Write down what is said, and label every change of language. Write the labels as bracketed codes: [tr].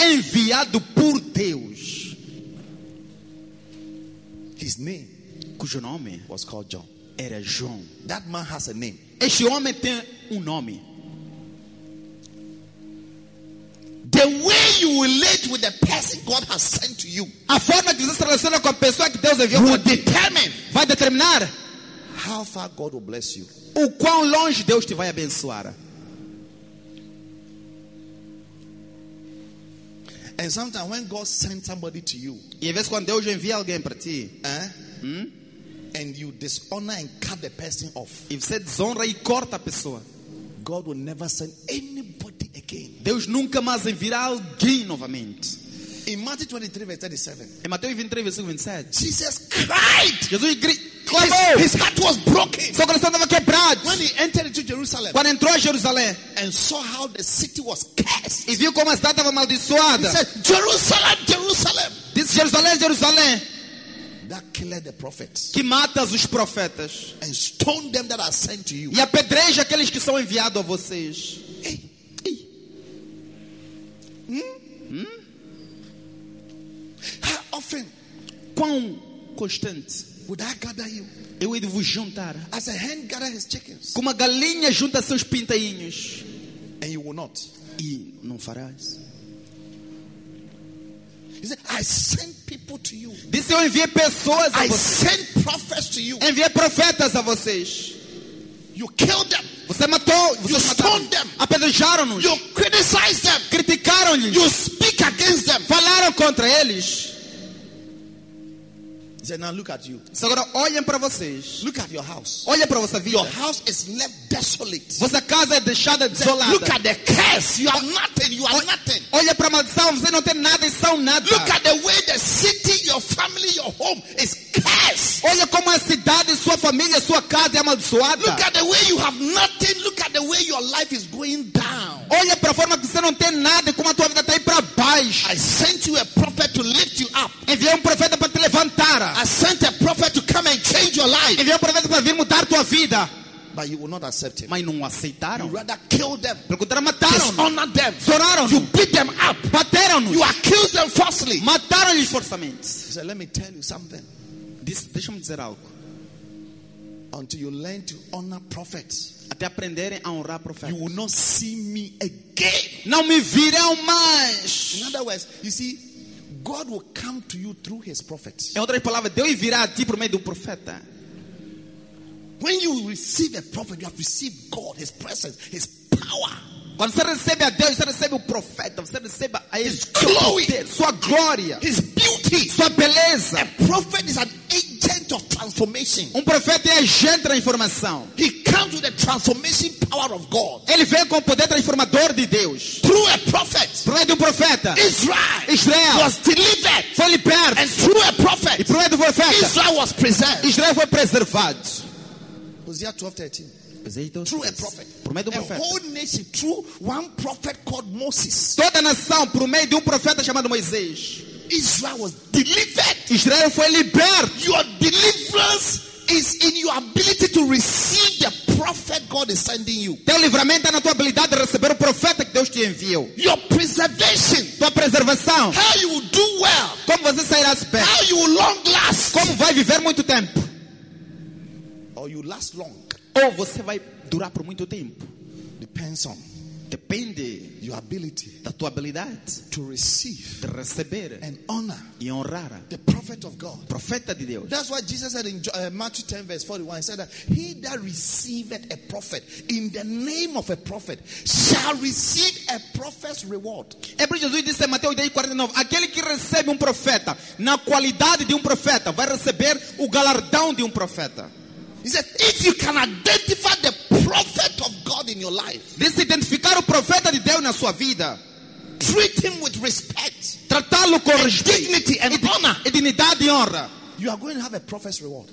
[pt] Enviado por Deus. [en] His name. [pt] Cujo nome. [en] Was called John. [pt] Era João. [en] That man has a name. [pt] Este homem tem nome. [en] The way you relate with the person God has sent to you. [pt] A forma que você se relaciona com a pessoa que Deus enviou. [en] Will determine. [pt] Vai determinar. [en] How far God will bless you. [pt] O quão longe Deus te vai abençoar. [en] And sometimes when God sends somebody to you. [pt] E às vezes quando Deus envia alguém para ti. Eh? [en] And you dishonor and cut the person off. [pt] E você desonra e corta a pessoa. [en] God will never send anybody again. [pt] Deus nunca mais enviará alguém novamente. [en] In Matthew 23, verse 37. [pt] Em Mateus 23, verse 37. [en] Jesus cried. [pt] Jesus gritou. [en] His heart was broken. [pt] Seu coração estava quebrado. [en] When he entered into Jerusalem. [pt] Quando entrou em Jerusalém. [en] And saw how the city was cursed. [pt] E viu como a cidade estava amaldiçoada. [en] He said, Jerusalem, Jerusalem. [pt] Disse, Jerusalém, Jerusalém. [en] That killed the prophets. [pt] Que matas os profetas. [en] And stone them that are sent to you. [pt] E apedreja aqueles que são enviados a vocês. Hey. [en] How often? [pt] Quão constante? [en] Would I gather you? [pt] Eu ia vos juntar. [en] As a hen gathers his chickens. [pt] Como a galinha junta seus pintainhos. [en] And you will not. [pt] E não farás. [en] He said, I sent people to you. [pt] Disse, eu enviei pessoas a [en] I [pt] vocês. [en] Sent prophets to you. [pt] Enviei profetas a vocês. [en] You killed them. [pt] Você matou. [en] You stoned them. [pt] Apedrejaram-nos. [en] You criticized them. [pt] Criticaram-lhes. [en] You speak against them. [pt] Falaram contra eles. [en] He said, now look at you. [pt] Disse, agora olhem para vocês. [en] Look at your house. [pt] Olha para vossa vida. [en] Your house is left desolate. [pt] Vossa casa é deixada desolada. [en] Look at the curse. You are nothing. You are nothing. [pt] Olha para a maldição. Você não tem nada e são nada. [en] Look at the way the city, your family, your home is cursed. [pt] Olha como a cidade, sua família, sua casa é amaldiçoada. [en] Look at the way you have nothing. Look at the way your life is going down. [pt] Olha para a forma que você não tem nada e como a tua vida está aí para baixo. [en] I sent you a prophet to lift you up. [pt] Enviei profeta para te levantar. [en] I sent a prophet to come and change your life. [pt] Enviei profeta para vir mudar tua vida. [en] But you will not accept him. [pt] Mas não aceitaram. [en] You rather kill them. [pt] Procuraram matar. [en] Dishonor them. [pt] Zoraram. [en] You beat them up. [pt] Bateram-nos. [en] You accuse them falsely. [pt] Mataram-lhes forçamente. [en] So let me tell you something. [pt] Deixa-me dizer algo. [en] Until you learn to honor prophets. [pt] Até aprenderem a honrar profetas. [en] You will not see me again. [pt] Não me virão mais. [en] In other words, you see, God will come to you through his prophets. [pt] Em outras palavras, Deus virá a ti por meio do profeta. [en] When you receive a prophet, you have received God, his presence, his power. [pt] Quando você recebe a Deus, você recebe o profeta, você recebe a [en] his glory, [pt] sua glória, [en] his beauty, [pt] sua beleza. [en] A prophet is an agent agent of transformation. [pt] Um profeta é agente da transformação. [en] He comes with the transformation power of God. [pt] Ele vem com o poder transformador de Deus. [en] Through a prophet. [pt] Por meio de um profeta. [en] Israel was delivered. [pt] Foi liberto. [en] And through a prophet. [pt] E por meio de um profeta. [en] Israel was preserved. [pt] Israel foi preservado. [en] Hosea 12:13. Through a prophet, [pt] por meio de um profeta. [en] A whole nation through one prophet called Moses. [pt] Toda a nação por meio de um profeta chamado Moisés. [en] Israel was delivered. [pt] Israel foi liberto. [en] Your deliverance is in your ability to receive the prophet God is sending you. [pt] Teu livramento é na tua habilidade de receber o profeta que Deus te enviou. [en] Your preservation. [pt] Tua preservação. [en] How you will do well. [pt] Como você sairá bem. [en] How you will long last. [pt] Como vai viver muito tempo. [en] Or you last long. [pt] Ou você vai durar por muito tempo. [en] Depends on. [pt] Depende [en] your ability [pt] da tua habilidade [en] to receive [pt] de receber [en] and honor [pt] e honrar [en] the prophet of God. [pt] Profeta de Deus. [en] That's what Jesus said in Matthew 10 verse 41. He said that he that receiveth a prophet in the name of a prophet shall receive a prophet's reward. [pt] É por Jesus disse em Mateus 10:49, aquele que recebe um profeta na qualidade de um profeta vai receber o galardão de um profeta. [en] He said, if you can identify the prophet of God in your life, [pt] this identificar o profeta de Deus na sua vida, [en] treat him with respect, [pt] tratá-lo com [en] and [pt] respeito, [en] dignity and [pt] e [en] honor, [pt] e dignidade e honra, [en] you are going to have a prophet's reward.